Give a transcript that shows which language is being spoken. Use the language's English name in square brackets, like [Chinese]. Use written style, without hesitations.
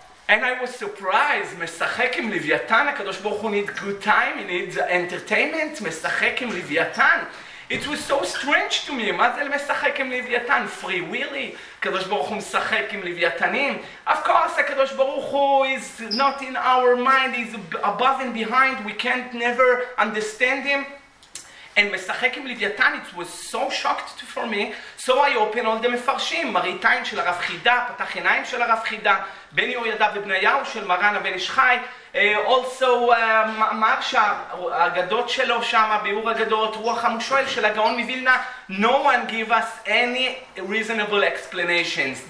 [English] And I was surprised, [Hebrew] mesachekim Leviathan, [English] HaKadosh Baruch Hu needs good time, he needs entertainment, mesachekim Leviathan. It was so strange to me. [Hebrew] מה זה משחק עם לוויתן? [English] Free willy? [Hebrew] הקדוש ברוך הוא משחק עם לוויתנים? [English] Of course, הקדוש ברוך הוא is not in our mind. He's above and behind. We can't never understand him. And [Hebrew] משחק עם לוויתן, [English] it was so shocked for me. So I opened all the מפרשים. [Hebrew] מראית עין של הרב חידה, פתח עיניים של הרב חידה, בני יהוידע ובניהו של מרן הבן איש חי, also Marsha, Agadot Shelo Shama, Biur Agadot, Ruach HaMushoel Shel Agaon Mivilna, [English] no one gave us any reasonable explanations.